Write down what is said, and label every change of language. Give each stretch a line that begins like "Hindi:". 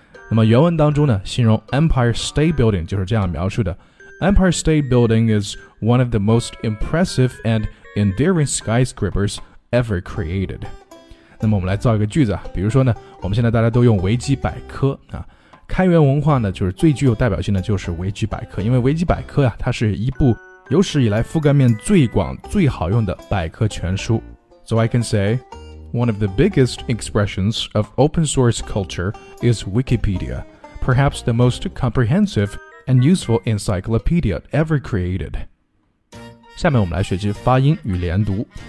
Chinese: 那么原文当中呢，形容
English: Empire State Building
Chinese: 就是这样描述的
English: Empire State Building is one of the most impressive and endearing skyscrapers ever created.
Chinese: 那么我们来造一个句子啊，比如说呢，我们现在大家都用维基百科啊，开源文化呢，就是最具有代表性的就是维基百科，因为维基百科啊，它是一部有史以来覆盖面最广最好用的百科全书。
English: So I can say,One of the biggest expressions of open source culture is Wikipedia, perhaps the most comprehensive and useful encyclopedia ever created.
Chinese: 下面我们来学习发音与连读。